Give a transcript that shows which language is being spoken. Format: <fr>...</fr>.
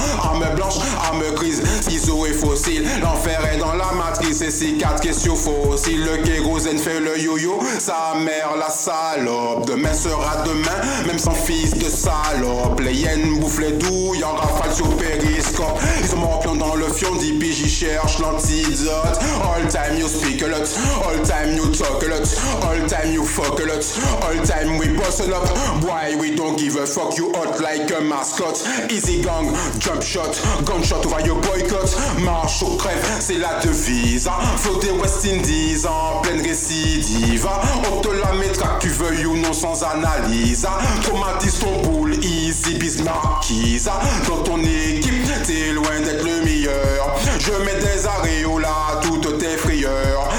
<fr>Arme blanche, arme grise, ciseaux et fossiles. L'enfer est dans la matrice, et cicatrice qui est sur fossile. Le kérosène fait le yo-yo, sa mère la salope. Demain sera demain, même sans fils de salope. Les hyènes bouffent les douilles en rafale sur périscope. Ils ont morpion dans le fion, d'Ibi, j'y cherche l'antidote.</fr> <en>All time you speak a lot, all time you talk a lot, all time you fuck a lot, all time we bustle up. Why we don't give a fuck, you hot like a mascot. Easy gang, jump shot, gunshot over your boycott.</en> <fr>Marche ou crève, c'est la devise, hein. Flotter West Indies en pleine récidive, hein. On te la mettra que tu veuilles ou non sans analyse, hein. Traumatise ton boule, easy bismarckise, hein. Dans ton équipe, t'es loin d'être le meilleur. Je mets des aréolas à toutes tes frayeurs.</fr>